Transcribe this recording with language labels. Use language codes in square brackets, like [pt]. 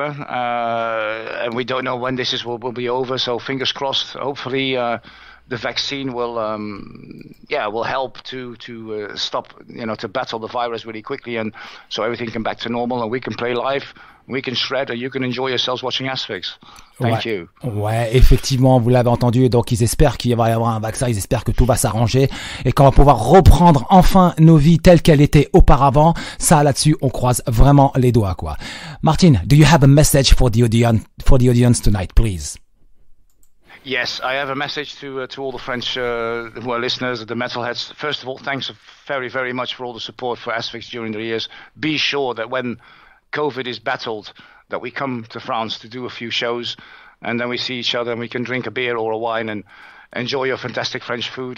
[en] And we don't know when this is will be over. So fingers crossed. Hopefully, the vaccine will help to stop, you know, to battle the virus really quickly, and so everything can back to normal, and we can play live. We can shred or you can enjoy yourselves watching Asphyx. Thank you. [fr] Ouais, effectivement, vous l'avez entendu. Donc, ils espèrent qu'il va y avoir un vaccin. Ils espèrent que tout va s'arranger et qu'on va pouvoir reprendre enfin nos vies telles qu'elles étaient auparavant. Ça, là-dessus, on croise vraiment les doigts, quoi. [en] Martin, do you have a message for the audience tonight, please? Yes, I have a message to all the French who are listeners, the metalheads. First of all, thanks very, very much for all the support for Asphyx during the years. Be sure that when COVID is battled, that we come to France to do a few shows, and then we see each other and we can drink a beer or a wine and enjoy your fantastic French food.